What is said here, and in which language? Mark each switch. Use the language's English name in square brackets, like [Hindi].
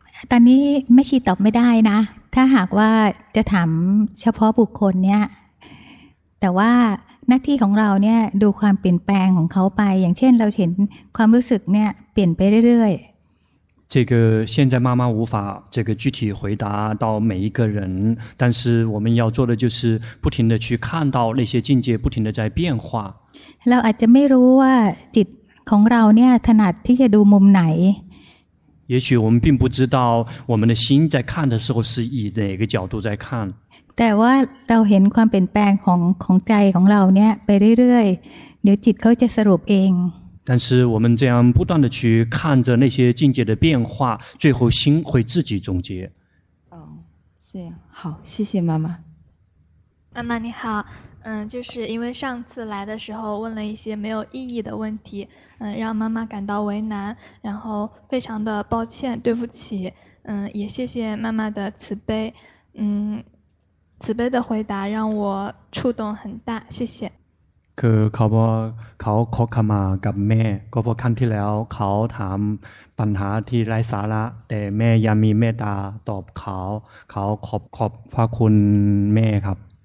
[Thai] ตอนนี้ไม่ชี้ตอบไม่ได้นะถ้าหากว่าจะถามเฉพาะบุคคลเนี่ยแต่ว่าหน้าที่ของเราเนี่ยดูความเปลี่ยนแปลงของเขาไปอย่างเช่นเราเห็นความรู้สึกเนี่ยเปลี่ยนไปเรื่อย [Chinese] 这个现在妈妈无法这个具体回答到每一个人但是我们要做的就是不停的去看到那些境界不停的在变化 [Thai] เราอาจจะไม่รู้ว่าจิตของเราเนี่ยถนัดที่จะดูมุมไหน [Chinese] 也许我们并不知道我们的心在看的时候是以哪个角度在看 [Thai] แต่ว่าเราเห็นความเปลี่ยนแปลงของใจของเราเนี่ยไปเรื่อยๆเดี๋ยวจิตเขาจะสรุปเอง [Chinese] 但是我们这样不断的去看着那些境界的变化，最后心会自己总结。哦，是好，谢谢妈妈。妈妈你好，就是因为上次来的时候问了一些没有意义的问题，让妈妈感到为难，然后非常的抱歉，对不起，也谢谢妈妈的慈悲，慈悲的回答让我触动很大，谢谢。 [Thai] คือเขาขอขมากับแม่ก็เพราะครั้งที่แล้วเขาถามปัญหาที่ไร้สาระแต่แม่ยังมีเมตตาตอบเขาขอบพระคุณแม่ครับ